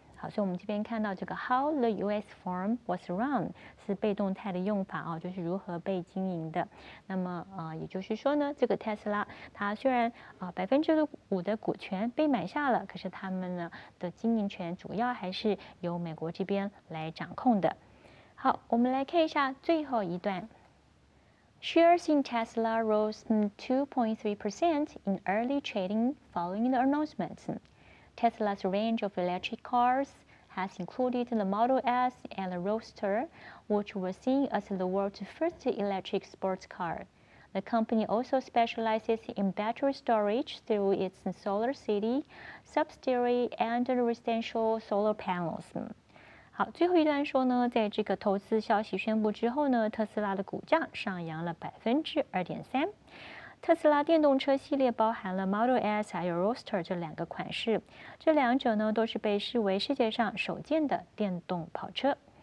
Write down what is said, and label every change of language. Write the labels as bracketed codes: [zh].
[zh] 好，所以我们这边看到这个 [en] how the U.S. firm was run [zh] 是被动态的用法哦，就是如何被经营的。那么也就是说呢，这个 Tesla 它虽然5%的股权被买下了，可是他们呢的经营权主要还是由美国这边来掌控的。好，我们来看一下最后一段。 [en] Shares in Tesla rose 2.3% in early trading following the announcement. Tesla's range of electric cars has included the Model S and the Roadster, which were seen as the world's first electric sports car. The company also specializes in battery storage through its Solar City subsidiary and residential solar panels. [zh] 好，最后一段说呢，在这个投资消息宣布之后呢，特斯拉的股价上扬了2.3%。特斯拉电动车系列包含了 Model S 还有 Roadster 这两个款式，这两者呢都是被视为世界上首见的电动跑车。